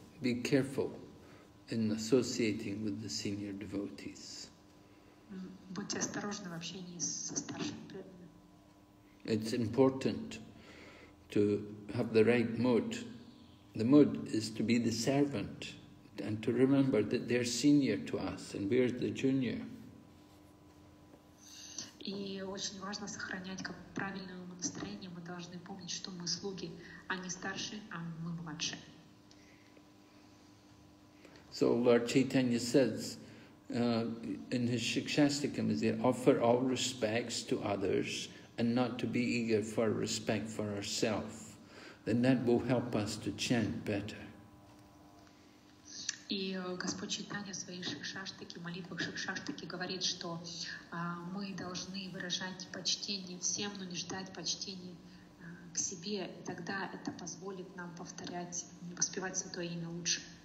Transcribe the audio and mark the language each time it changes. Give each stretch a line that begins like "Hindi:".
English: Be careful in associating with the senior devotees.
Russian: Будьте осторожны в общении со старшими преданными.
English: It's important to have the right mood. The mood is to be the servant and to remember that they're senior to us and we're the junior.
Russian: И очень важно сохранять как правильное настроение. Мы должны помнить, что мы слуги, а не старшие, а мы младшие.
English: So Lord Chaitanya says in his Shikshastikam, is there, offer all respects to others and not to be eager for respect for ourselves. Then that will help us to chant better.
Russian: И Господь Чайтанья в своих шикшаштаке, молитвах шикшаштаке говорит, что мы должны выражать почтение всем, но не ждать почтения к себе, и тогда это позволит нам повторять, воспевать Святое Имя лучше.